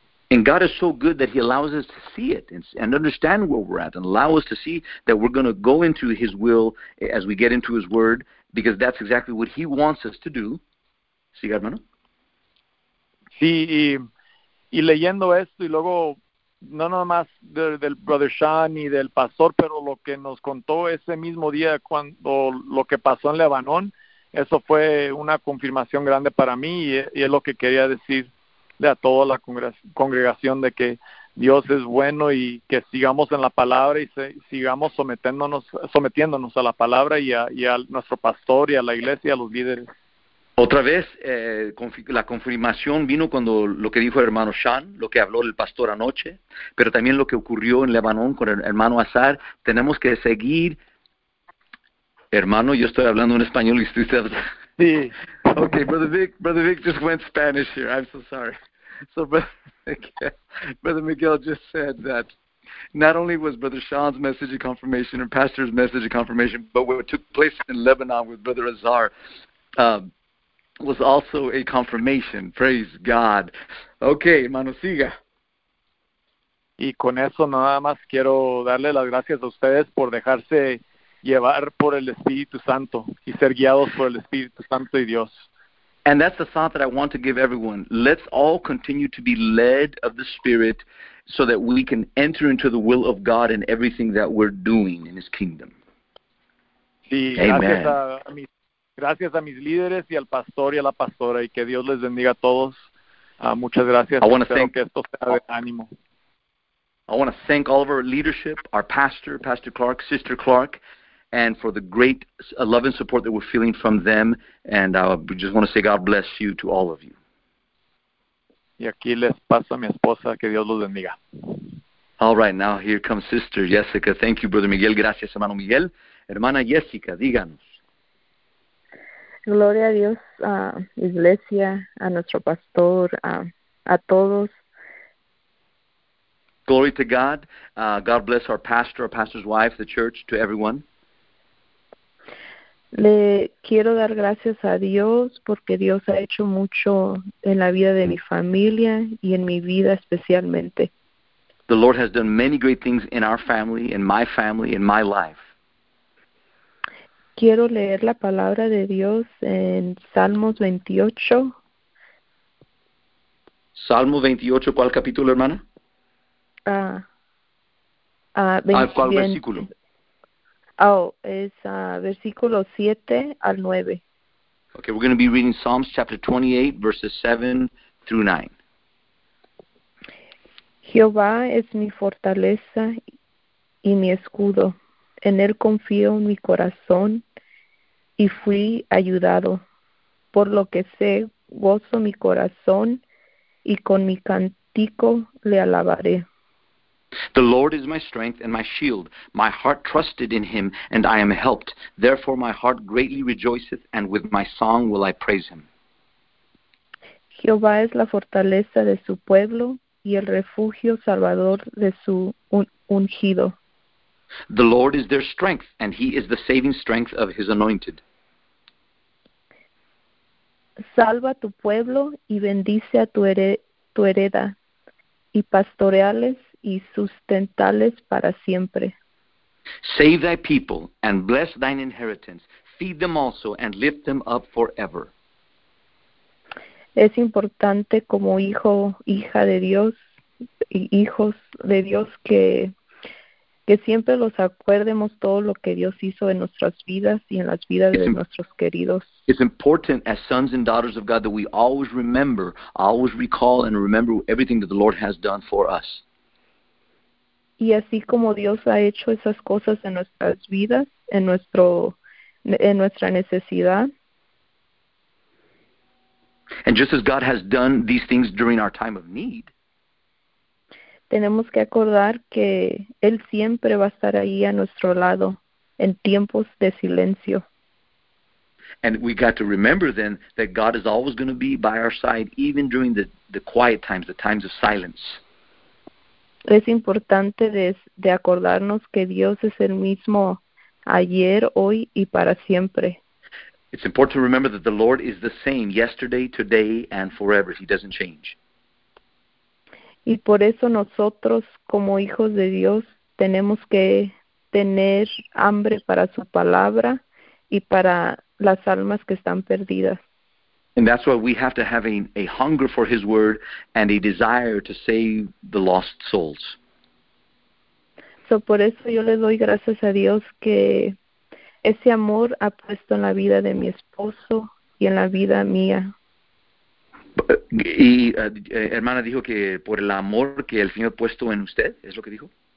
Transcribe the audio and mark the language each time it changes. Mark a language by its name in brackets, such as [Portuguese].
[English] And God is so good that He allows us to see it and understand where we're at and allow us to see that we're going to go into His will as we get into His word, because that's exactly what He wants us to do. [Spanish] ¿Sí, hermano? Sí, y leyendo esto, y luego, no nada más del Brother Sean y del pastor, pero lo que nos contó ese mismo día cuando lo que pasó en Lebanon, eso fue una confirmación grande para mí, y es lo que quería decirle a toda la congregación, de que Dios es bueno y que sigamos en la palabra y sigamos sometiéndonos a la palabra y a nuestro pastor y a la iglesia y a los líderes. Otra vez, la confirmación vino cuando lo que dijo el hermano Sean, lo que habló el pastor anoche, pero también lo que ocurrió en Lebanon con el hermano Azar. Tenemos que seguir Hermano, yo estoy hablando en español y usted está. Sí. [English] Okay, Brother Vic just went Spanish here. I'm so sorry. So Brother Miguel just said that not only was Brother Sean's message a confirmation and Pastor's message a confirmation, but what took place in Lebanon with Brother Azar was also a confirmation. Praise God. Okay, [Spanish] hermano, siga. Y con eso nada más quiero darle las gracias a ustedes por dejarse llevar por el Espíritu Santo y ser guiados por el Espíritu Santo y Dios. [English] And that's the thought that I want to give everyone. Let's all continue to be led of the Spirit so that we can enter into the will of God in everything that we're doing in His kingdom. [Spanish] Sí, amen. Gracias a mis líderes y al pastor y a la pastora y que Dios les bendiga a todos. Muchas gracias. Espero que esto sea de ánimo. [English] I want to thank all of our leadership, our pastor, Pastor Clark, Sister Clark, and for the great love and support that we're feeling from them. And I just want to say God bless you to all of you. [Spanish] Y aquí les paso a mi esposa, que Dios los bendiga. [English] All right, now here comes Sister Jessica. Thank you, Brother Miguel. [Spanish] Gracias, hermano Miguel. Hermana Jessica, díganos. Gloria a Dios, Iglesia, a nuestro pastor, a todos. [English] Glory to God. God bless our pastor, our pastor's wife, the church, to everyone. [Spanish] Le quiero dar gracias a Dios porque Dios ha hecho mucho en la vida de mi familia y en mi vida especialmente. [English] The Lord has done many great things in our family, in my life. [Spanish] Quiero leer la palabra de Dios en Salmos 28. Salmo 28, ¿cuál capítulo, hermana? ¿Cuál versículo? Es versículo 7 al 9. [English] Okay, we're going to be reading Psalms chapter 28, verses 7 through 9. [Spanish] Jehová es mi fortaleza y mi escudo. En él confío mi corazón y fui ayudado. Por lo que sé, gozo mi corazón y con mi cántico le alabaré. [English] The Lord is my strength and my shield. My heart trusted in Him, and I am helped. Therefore my heart greatly rejoiceth, and with my song will I praise Him. [Spanish] Jehová es la fortaleza de su pueblo, y el refugio salvador de su ungido. [English] The Lord is their strength, and He is the saving strength of His anointed. [Spanish] Salva tu pueblo, y bendice a tu hereda, y pastoreales, y sustentales para siempre. [English] Save thy people and bless thine inheritance. Feed them also and lift them up forever. [Spanish] Es importante como hijo, hija de Dios, y hijos de Dios que siempre los acuerdemos todo lo que Dios hizo en nuestras vidas y en las vidas de nuestros queridos. [English] It's important as sons and daughters of God that we always remember, always recall and remember everything that the Lord has done for us. [Spanish] Y así como Dios ha hecho esas cosas en nuestras vidas, en nuestra necesidad. [English] And just as God has done these things during our time of need. [Spanish] Tenemos que acordar que Él siempre va a estar ahí a nuestro lado en tiempos de silencio. [English] And we got to remember then that God is always going to be by our side, even during the quiet times, the times of silence. [Spanish] Es importante de acordarnos que Dios es el mismo ayer, hoy y para siempre. [English] It's important to remember that the Lord is the same yesterday, today and forever. He doesn't change. [Spanish] Y por eso nosotros como hijos de Dios tenemos que tener hambre para su palabra y para las almas que están perdidas. [English] And that's why we have to have a hunger for His Word and a desire to save the lost souls. [Spanish] So por eso yo le doy gracias a Dios que ese amor ha puesto en la vida de mi esposo y en la vida mía. Y hermana dijo que por el amor que el Señor ha puesto en usted, ¿es lo que dijo?